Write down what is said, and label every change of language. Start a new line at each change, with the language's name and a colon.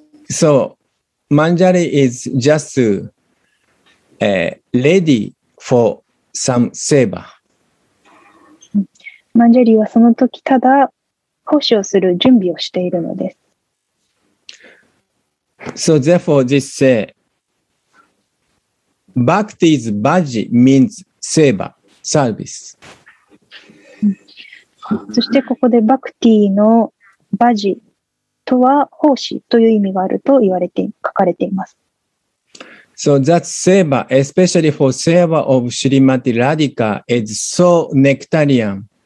English: So, マンジャリー is just ready for some seva.
Japanese: マンジャリーはその時ただ奉仕をする準備をしているのです。
English: So, therefore, this say, Bhakti is bhaji means seva, service.
Japanese: そしてここでバクティのバジとは奉仕という意味があると言われて書かれています。
English: So that seva, especially for seva of Srimati Radhika, is so nectarian.